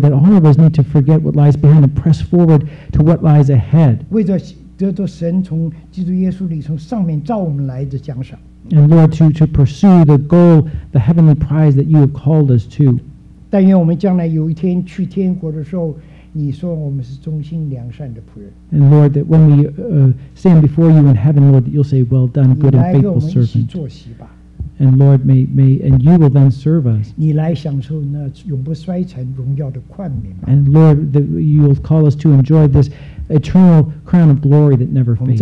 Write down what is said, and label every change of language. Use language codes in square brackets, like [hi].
[en] that all of us need to forget what lies behind and press forward to what lies ahead. [zh] 为着得到神从基督耶稣里从上面召我们来的奖赏。And [en] Lord, to pursue the goal, the heavenly prize that you have called us to. [zh] 但愿我们将来有一天去天国的时候，你说我们是忠心良善的仆人。And [en] Lord, that when we stand before you in heaven, Lord, that you'll say, "Well done, good and faithful servant." And Lord, and you will then serve us. And Lord, you will call us to enjoy this eternal crown of glory that never fades.